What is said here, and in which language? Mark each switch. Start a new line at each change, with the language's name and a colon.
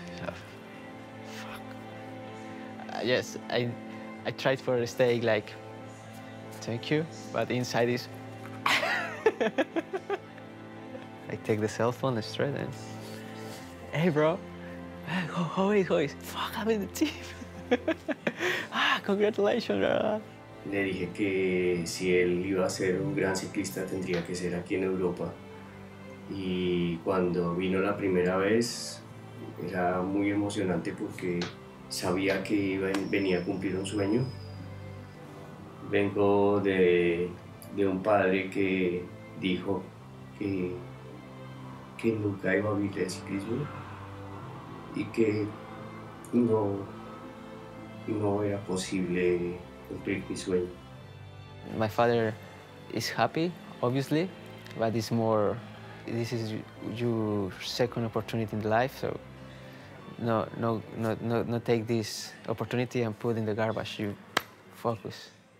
English: So, fuck. Yes, I tried for a steak, like, thank you, but inside is I take the cell phone straight and, hey bro, how is? Fuck, I'm in the team. Ah, congratulations, bro.
Spanish: Le dije que si él iba a ser un gran ciclista tendría que ser aquí en Europa. Y cuando vino la primera vez era muy emocionante porque sabía que venía a cumplir un sueño. Vengo de un padre que dijo que nunca iba a vivir el ciclismo y que no era posible cumplir mi sueño.
English: My father is happy, obviously, but it's more, this is your second opportunity in life, so no, take this opportunity and put it in the garbage. You focus.